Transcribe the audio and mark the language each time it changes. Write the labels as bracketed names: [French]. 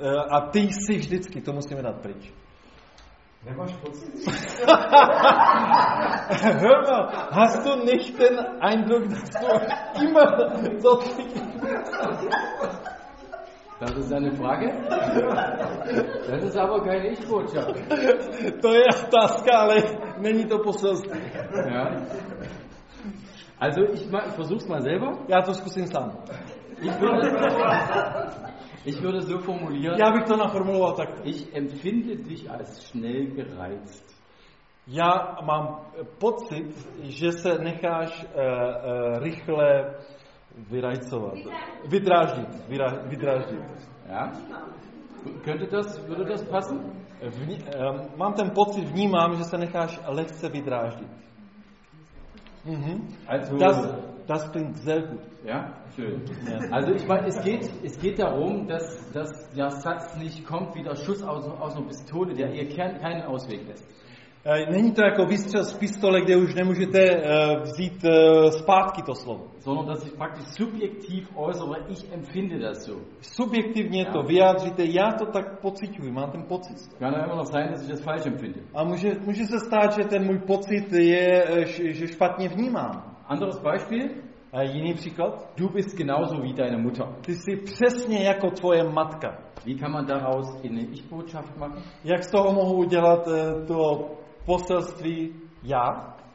[Czech] A ty jsi vždycky, to musíme dát pryč. Nemáš pocit? [German] Hör mal, hast du nicht den Eindruck, dass du immer so zickig bist? Das ist eine Frage? Das ist aber keine Ich-Botschaft. [Czech] To je otázka, ale není to poselství. [German] Ja. Also ich versuch's mal selber. [Czech] Ja, to zkusím sám. [German] Ich würde, Ich würde so formulieren. [Czech] Ja, bych to naformuloval tak. [German] Ich empfinde dich als schnell gereizt. [Czech] Já mám pocit, že se necháš rychle vyrajcovat. Vydráždit, vydráždit. [German] Ja? Könnte das, würde das passen? [Czech] Mám ten pocit, vnímám, že se necháš lehce vydráždit. Mhm. [German] Also, das klingt sehr gut. Ja, schön. Ja. Also ich meine, es geht darum, dass der Satz nicht kommt wie der Schuss aus einer Pistole, der ihr keinen Ausweg lässt. [Czech] Není to jako výstřel z pistole, kde už nemůžete vzít zpátky to slovo. [German] Sondern dass ich praktisch subjektiv äußere, ich empfinde das so. [Czech] Subjektivně to vyjádříte, já to tak pociťuji, mám ten pocit. [German] Kann aber auch sein, dass ich das falsch empfinde. [Czech] A může se stát, že ten můj pocit je, že špatně vnímám. [German] Anderes Beispiel? [Czech] Jiný příklad? [German] Du bist genauso wie deine Mutter. [Czech] Ty jsi přesně jako tvoje matka. [German] Wie kann man daraus eine Ich-Botschaft machen? [Czech] Jak z toho mohu udělat to poselství já?